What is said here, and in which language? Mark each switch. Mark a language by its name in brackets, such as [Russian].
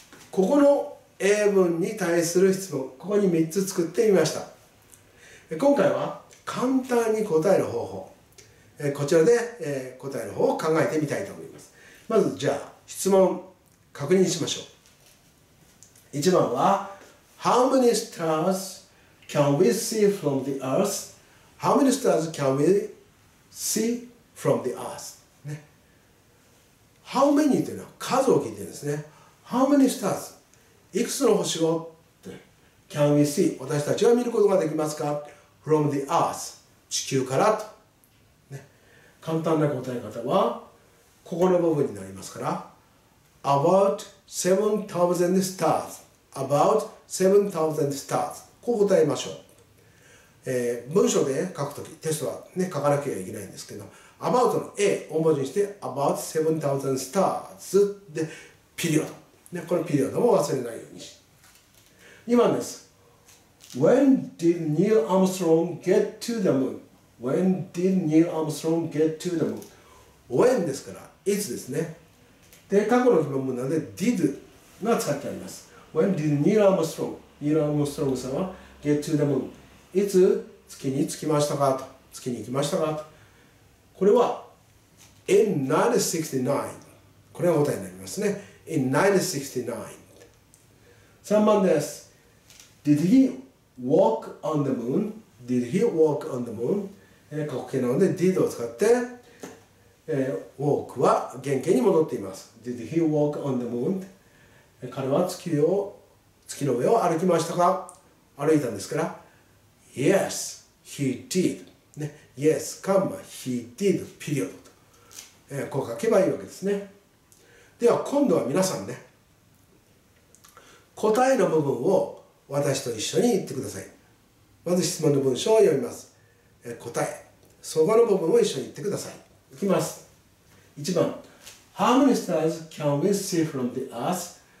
[Japanese] ここの英文に対する質問、ここに3つ作ってみました。今回は簡単に答える方法、こちらで、答える方法を考えてみたいと思います。まずじゃあ質問確認しましょう。 [English] 1番は How many stars can we see from the earth? How many stars can we see from the earth?、ね、How many [Japanese] というのは数を聞いてるんですね。 [English] How many stars? [Japanese] いくつの星を [English] Can we see? [Japanese] 私たちは見ることができますか。 From the earth, 地球からと、ね、簡単な答え方はここの部分になりますから、 [English] About 7000 stars, About 7000 stars、 [Japanese] こう答えましょう。文章で書くとき、テストは、ね、書かなきゃいけないんですけど、 About の A を文字にして [English] About 7000 stars [Japanese] でピリオド、ね、このピリオドも忘れないようにし、2番です。 [English] When did Neil Armstrong get to the moon? When did Neil Armstrong get to the moon? [Japanese] When ですから、いつですね。で、過去の疑問文なので、did が使ってあります。 [English] When did Neil Armstrong? Neil Armstrong [Japanese] さんは [English] get to the moon? [Japanese] いつ月に着きましたかと。月に行きましたかと。これは、 [English] in 1969. [Japanese] これが答えになりますね。 [English] in 1969. [Japanese] 3番です。 [English] Did he? Walk on the moon? Did he walk on the moon? [Japanese] 過去形なので did を使って、walk は原形に戻っています。 [English] Did he walk on the moon? [Japanese] 彼は月の上を歩きましたか？歩いたんですから。 [English] Yes, he did.、 [Japanese] ね、 [English] yes, comma, he did, period. [Japanese] と、こう書けばいいわけですね。では今度は皆さんね、答えの部分を私と一緒に言ってください。まず質問の文章を読みます。答え、相場の部分を一緒に言ってください。いきます。 [English] 1番、How many stars can we see from the earth?